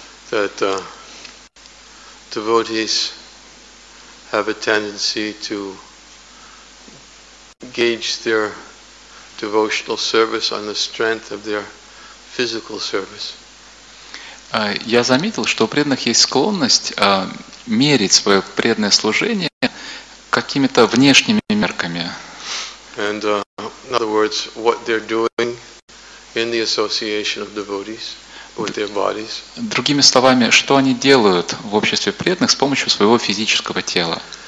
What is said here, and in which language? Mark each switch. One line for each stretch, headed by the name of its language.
English: That devotees have a tendency to gauge their devotional service on the strength of their physical service.
Russian: Я заметил, что у преданных есть склонность мерить свое преданное служение какими-то внешними мерками.
English: And in other words, what they're doing in the association of devotees.
Russian: Другими словами, что они делают в обществе преданных с помощью своего физического тела.